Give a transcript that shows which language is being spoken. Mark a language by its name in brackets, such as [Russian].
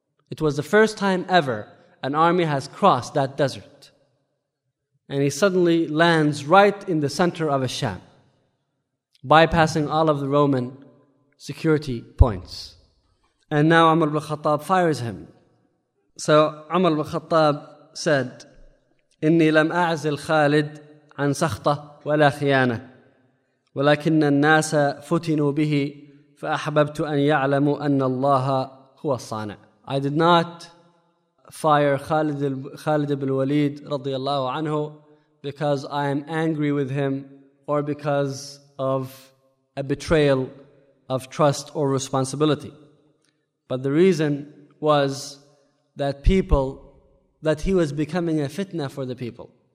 [English] It was the first time ever an army has crossed that desert. And he suddenly lands right in the center of Asham, bypassing all of the Roman security points. And now Umar ibn Khattab fires him. So Umar ibn Khattab said, [Arabic] إني لم أعزل خالد عن سخطة ولا خيانة ولكن الناس فتنوا به فأحببت أن يعلموا أن الله هو الصانع. [English] I did not fire Khalid ibn Walid رضي الله عنه because I am angry with him or because of a betrayal of trust or responsibility. But the reason was that he was becoming a fitna for the people.